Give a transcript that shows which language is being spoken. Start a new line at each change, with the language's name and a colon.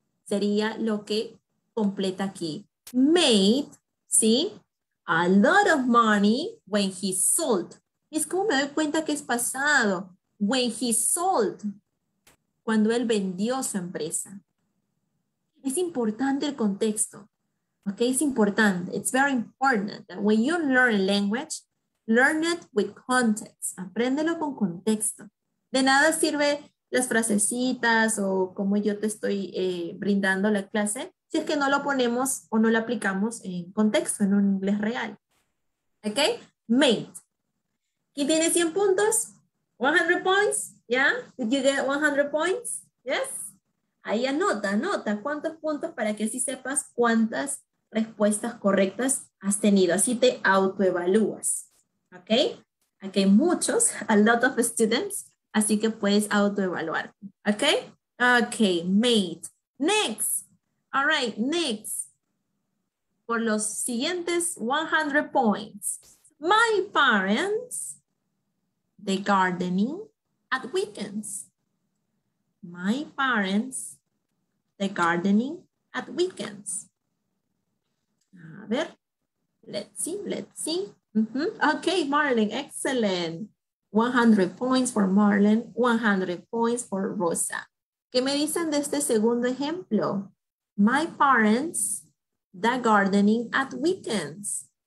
Spanish: Sería lo que completa aquí. Made, ¿sí?
English: A lot of money when he sold.
Spanish: Es como me doy cuenta que es pasado.
English: When he sold.
Spanish: Cuando él vendió su empresa. Es importante el contexto. Ok, es importante.
English: It's very important that when you learn a language, learn it with context.
Spanish: Apréndelo con contexto. De nada sirve las frasecitas o cómo yo te estoy brindando la clase si es que no lo ponemos o no lo aplicamos en contexto, en un inglés real. Ok, mate. Aquí tienes 100 puntos. 100 points. ¿Ya? Yeah?
English: Did you get 100 points? Yes.
Spanish: Ahí anota, anota cuántos puntos para que así sepas cuántas respuestas correctas has tenido. Así te autoevalúas. ¿Ok? Aquí hay muchos,
English: a lot of students,
Spanish: así que puedes autoevaluarte. ¿Ok?
English: Ok, mate. Next. All right, next.
Spanish: Por los siguientes
English: 100 points. My parents, they gardening at weekends. My parents, they gardening at weekends.
Spanish: A ver,
English: let's see. Mm-hmm. Okay, Marlene, excellent. 100 points for Marlene, 100 points for Rosa.
Spanish: ¿Qué me dicen de este segundo ejemplo?
English: My parents, the gardening at weekends.